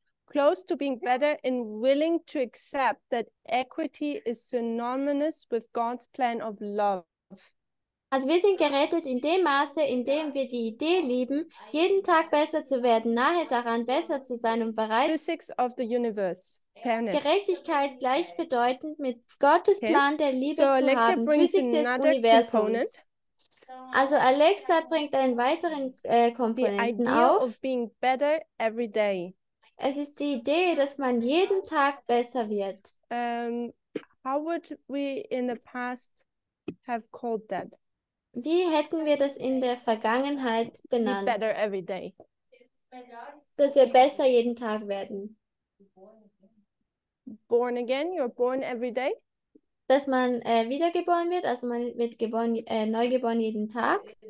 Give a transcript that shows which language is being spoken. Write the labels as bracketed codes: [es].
[en] Close to being better and willing to accept that equity is synonymous with God's plan of love. [de] Also wir sind gerettet in dem Maße, in dem wir die Idee lieben, jeden Tag besser zu werden, nahe daran, besser zu sein und bereits [en] Physics of the universe. Fairness. [de] Gerechtigkeit gleichbedeutend mit Gottes Plan der Liebe zu haben, Physik des Universums. [en] Component. [de] Also Alexa bringt einen weiteren Komponenten auf. [en] Of being better every day. [de] Es ist die Idee, dass man jeden Tag besser wird. [en] How would we in the past have called that? [de] Wie hätten wir das in der Vergangenheit benannt? [en] Be better every day. [de] Dass wir besser jeden Tag werden. [en] Born again, you're born every day. [de] Dass man wiedergeboren wird, also man wird geboren, neugeboren jeden Tag.